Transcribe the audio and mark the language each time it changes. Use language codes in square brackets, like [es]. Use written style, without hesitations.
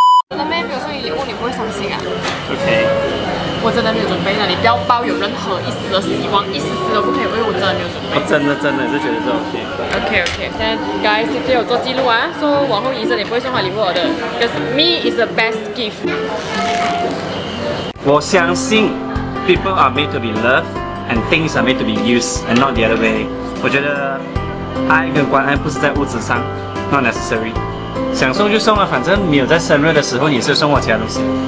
[zh] 我的妹没有送你礼物，你不会伤心啊 [en] ？OK。 [zh] 我真的没有准备的，你不要抱有任何一丝的希望，一丝丝都不可以，因为我真的没有准备。我真的是觉得这种事。 OK， 现在 guys 今天有做记录啊，说往后医生也不会送他礼物的 ， [en] because me is the best gift。 [zh] 我相信 [en] people are made to be loved and things are made to be used and not the other way。 [zh] 我觉得爱跟关爱不是在物质上 ， [en] not necessary。 [zh] 想送就送了，反正没有在生日的时候也是送我其他东西。